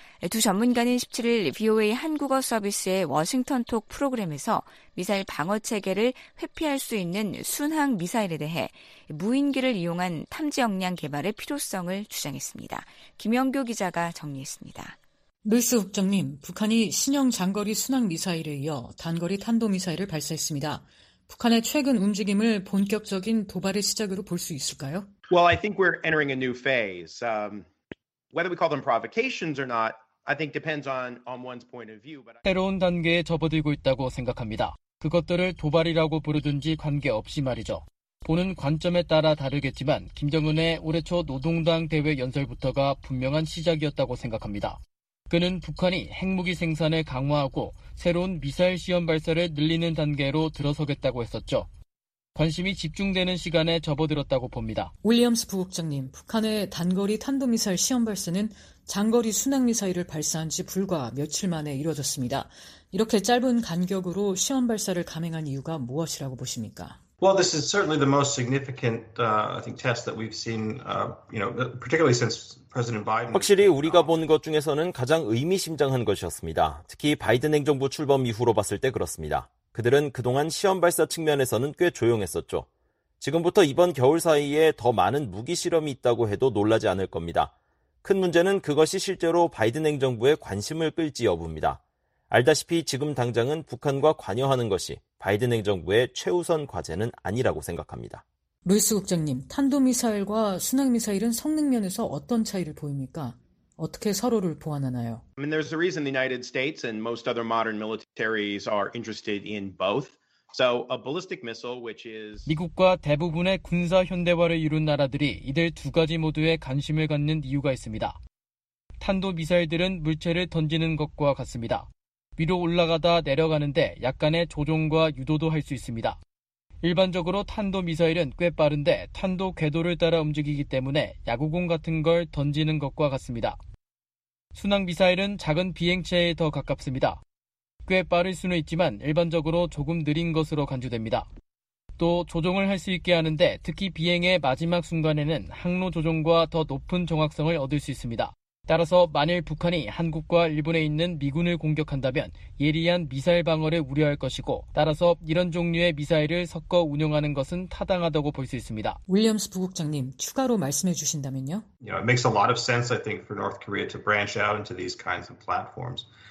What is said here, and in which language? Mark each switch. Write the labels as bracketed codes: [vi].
[ko] 두 전문가는 17일 VOA 한국어 서비스의 워싱턴톡 프로그램에서 미사일 방어 체계를 회피할 수 있는 순항 미사일에 대해 무인기를 이용한 탐지 역량 개발의 필요성을 주장했습니다. 김영교 기자가 정리했습니다. 루이스 국장님, 북한이 신형 장거리 순항 미사일에 이어 단거리 탄도미사일을 발사했습니다. 북한의 최근 움직임을 본격적인 도발의 시작으로 볼 수 있을까요? [en] Well, I think we're entering a new phase. Whether we call them provocations or not, I think depends on one's point of view. [ko] 새로운 단계에 접어들고 있다고 생각합니다. 그것들을 도발이라고 부르든지 관계없이 말이죠. 보는 관점에 따라 다르겠지만 김정은의 올해 초 노동당 대회 연설부터가 분명한 시작이었다고 생각합니다. 그는 북한이 핵무기 생산을 강화하고 새로운 미사일 시험 발사를 늘리는 단계로 들어서겠다고 했었죠. 관심이 집중되는 시간에 접어들었다고 봅니다. 윌리엄스 부국장님, 북한의 단거리 탄도미사일 시험 발사는 장거리 순항미사일을 발사한 지 불과 며칠 만에 이뤄졌습니다. 이렇게 짧은 간격으로 시험 발사를 감행한 이유가 무엇이라고 보십니까? [en] Well, this is certainly the most significant, I think, test that we've seen, you know, particularly since President Biden. [ko] 확실히 우리가 본 것 중에서는 가장 의미심장한 것이었습니다. 특히 바이든 행정부 출범 이후로 봤을 때 그렇습니다. 그들은 그동안 시험 발사 측면에서는 꽤 조용했었죠. 지금부터 이번 겨울 사이에 더 많은 무기 실험이 있다고 해도 놀라지 않을 겁니다. 큰 문제는 그것이 실제로 바이든 행정부의 관심을 끌지 여부입니다. 알다시피 지금 당장은 북한과 관여하는 것이 바이든 행정부의 최우선 과제는 아니라고 생각합니다. 루이스 국장님, 탄도미사일과 순항미사일은 성능 면에서 어떤 차이를 보입니까? 어떻게 서로를 보완하나요? [en] I mean, there's a reason the United States and most other modern militaries are interested in both. So, a ballistic missile, which is [ko] 미국과 대부분의 군사 현대화를 이룬 나라들이 이들 두 가지 모두에 관심을 갖는 이유가 있습니다. 탄도 미사일들은 물체를 던지는 것과 같습니다. 위로 올라가다 내려가는데 약간의 조종과 유도도 할 수 있습니다. 일반적으로 탄도 미사일은 꽤 빠른데 탄도 궤도를 따라 움직이기 때문에 야구공 같은 걸 던지는 것과 같습니다. 순항 미사일은 작은 비행체에 더 가깝습니다. 꽤 빠를 수는 있지만 일반적으로 조금 느린 것으로 간주됩니다. 또 조종을 할 수 있게 하는데 특히 비행의 마지막 순간에는 항로 조종과 더 높은 정확성을 얻을 수 있습니다. 따라서 만일 북한이 한국과 일본에 있는 미군을 공격한다면 예리한 미사일 방어를 우려할 것이고 따라서 이런 종류의 미사일을 섞어 운용하는 것은 타당하다고 볼 수 있습니다. 윌리엄스 부국장님, 추가로 말씀해 주신다면요? [en] You know, it makes a lot of sense, I think, for North Korea to branch out into these kinds of platforms.